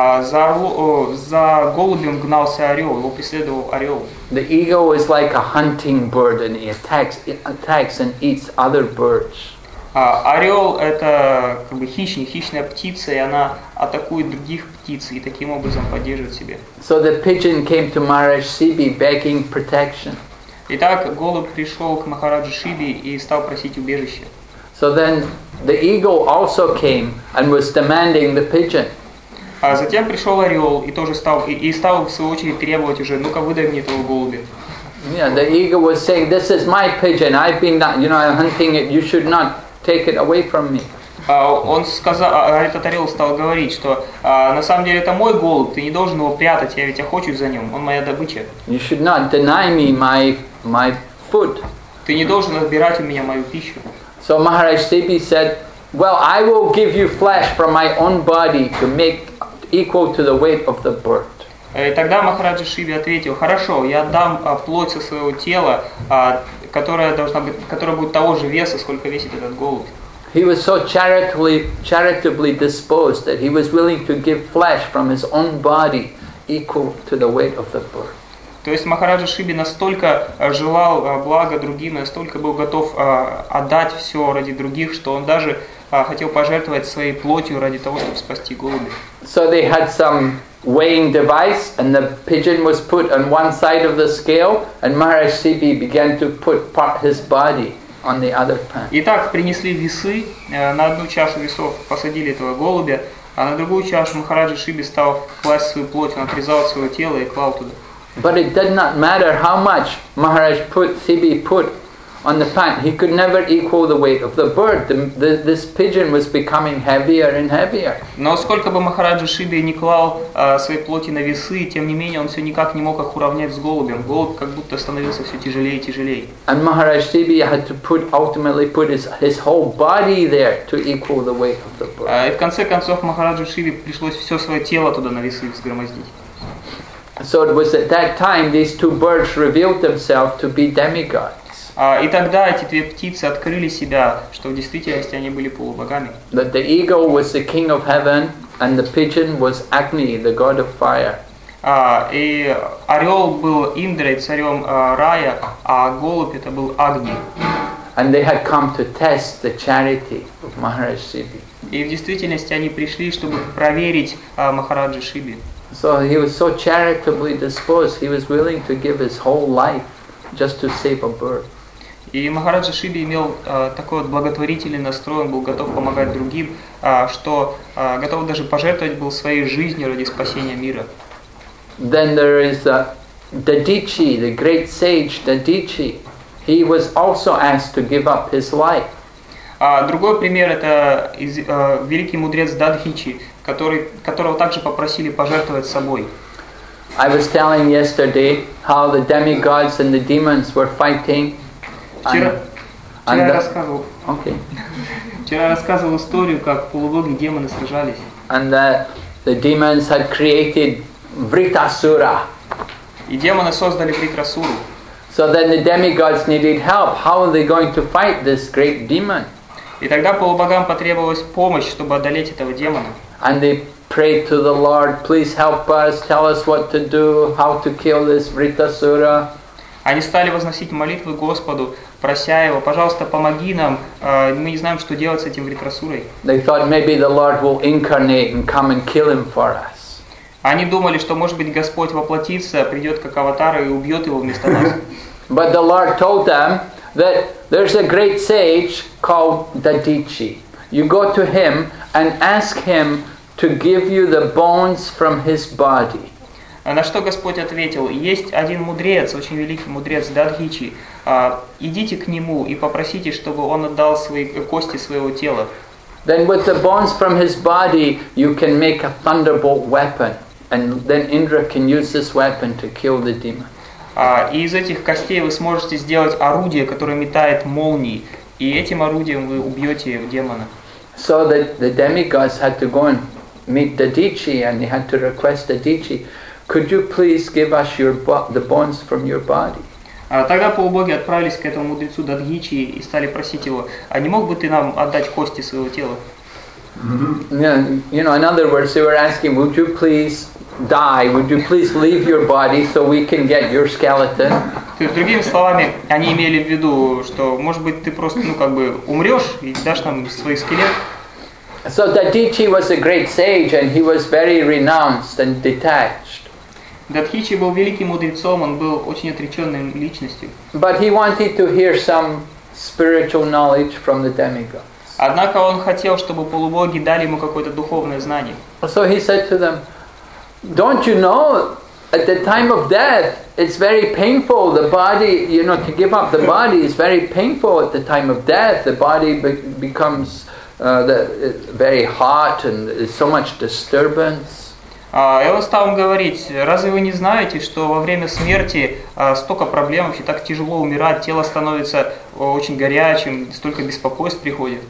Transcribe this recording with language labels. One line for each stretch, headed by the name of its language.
Russian: За голубем гнался орел, его преследовал орел.
English: The eagle is like a hunting bird and it attacks and eats other birds.
Russian: Орел это как бы хищная птица, и она атакует других птиц и таким образом поддерживает себя.
English: So the pigeon came to Maharaj Sibi begging protection.
Russian: Итак, голубь пришел к Махараджу Шиби и стал просить убежище.
English: So then the eagle also came and was demanding the pigeon.
Russian: А затем пришел орел и тоже стал и стал в свою очередь требовать уже, ну-ка выдай мне этого голубя.
English: Yeah, the eagle was saying, "This is my pigeon. I've been, you know, hunting it. You should not take it away from me."
Russian: Он сказал, этот орел стал говорить, что на самом деле это мой голубь. Ты не должен его прятать. Я ведь охочусь за ним. Он моя добыча.
English: You should not deny me my food.
Russian: Ты не должен отбирать у меня мою пищу.
English: So Maharaj Sipi said, "Well, I will give you flesh from my own body to make equal to the weight of the bird."
Russian: И тогда Махараджа Шиви ответил: «Хорошо, я дам плоть со своего тела, которая будет того же веса, сколько весит этот голубь».
English: He was so charitably disposed that he was willing to give flesh from his own body equal to the weight of the bird.
Russian: То есть Махараджа Шиви настолько желал блага другим, настолько был готов отдать все ради других, что он даже хотел пожертвовать своей плотью ради того, чтобы спасти голубя.
English: So they had some weighing device, and the pigeon was put on one side of the scale, and Maharaj Sipi began to put part his body on the other part.
Russian: Итак, принесли весы, на одну чашу весов посадили этого голубя, а на другую чашу Махараджа Шиби стал класть свою плоть, он отрезал свое тело и клал туда.
English: But it did not matter how much Maharaj Sipi put on the pan. He could never equal the weight of the bird. This pigeon was becoming heavier and heavier.
Russian: Но сколько бы Махараджа Шиби не клал своей плоти на весы, тем не менее он все никак не мог их уравнять с голубем. Голубь как будто становился все тяжелее и тяжелее.
English: And Maharaj Sipi had to ultimately put his whole body there to equal the weight of the bird.
Russian: И в конце концов Махараджа Шиби пришлось все свое тело туда на весы взгромоздить.
English: So it was at that time these two birds revealed themselves to be demigods.
Russian: И тогда эти две птицы открыли себя, что в действительности они были полубогами.
English: That the eagle was the king of heaven, and the pigeon was Agni, the god of fire.
Russian: И орел был Индрой, царем рая, а голубь это был Агни.
English: And they had come to test the charity of Maharaj Sipi.
Russian: И в действительности они пришли, чтобы проверить Махараджа Шиби.
English: So he was so charitably disposed, he was willing to give his whole life just to save a bird.
Russian: И Махараджа Шиби имел такой вот благотворительный настрой, он был готов помогать другим, что готов даже пожертвовать был своей жизнью ради спасения мира.
English: Then there is Dadichi, the great sage Dadichi. He was also asked to give up his life.
Russian: Другой пример это великий мудрец Дадхичи, которого также попросили пожертвовать собой.
English: I was telling yesterday how the demigods and the demons were fighting.
Russian: Вчера рассказывал историю, как полубоги и демоны сражались.
English: And the demons had created Vritasura.
Russian: И демоны создали Vritasuru.
English: So then the demigods needed help. How are they going to fight this great demon?
Russian: И тогда полубогам потребовалась помощь, чтобы одолеть этого демона.
English: And they prayed to the Lord, "Please help us. Tell us what to do. How to kill this Vritasura."
Russian: Они стали возносить молитвы Господу, прося его: «Пожалуйста, помоги нам. Мы не знаем, что делать с этим Вритасурой».
English: They thought maybe the Lord will incarnate and come and kill him for us.
Russian: Они думали, что может быть Господь воплотится, придет как аватар и убьет его вместо нас.
English: But the Lord told them that there's a great sage called Dadichi. You go to him and ask him to give you the bones from his body.
Russian: На что Господь ответил: есть один мудрец, очень великий мудрец Дадхичи. Идите к нему и попросите, чтобы он отдал свои кости своего тела.
English: Then with the bones from his body, you can make a thunderbolt weapon, and then Indra can use this weapon to kill the demon.
Russian: И из этих костей вы сможете сделать орудие, которое метает молнии, и этим орудием вы убьете демона.
English: So the demigods had to go and meet Dadichi, and they had to request Dadichi. Could you please give us the bones from your body?
Russian: Тогда полубоги отправились к этому мудрецу Дадхичи и стали просить его: а не мог бы ты нам отдать кости своего тела?
English: You know, in other words, they were asking, would you please die? Would you please leave your body so we can get your skeleton?
Russian: То есть другими словами, они имели в виду, что может быть ты просто, ну как бы, умрешь и дашь нам свой скелет?
English: So Dadichi was a great sage, and he was very renounced and detached.
Russian: Дадхичи был великим мудрецом, он был очень отреченным личностью.
English: But he wanted to hear some spiritual knowledge from the demigods.
Russian: Однако он хотел, чтобы полубоги дали ему какое-то духовное знание.
English: So he said to them, don't you know, at the time of death, it's very painful, the body, you know, to give up the body is very painful at the time of death, the body becomes very hot and so much disturbance.
Russian: И он стал говорить, разве вы не знаете, что во время смерти столько проблем, вообще так тяжело умирать, тело становится очень горячим, столько беспокойств приходит.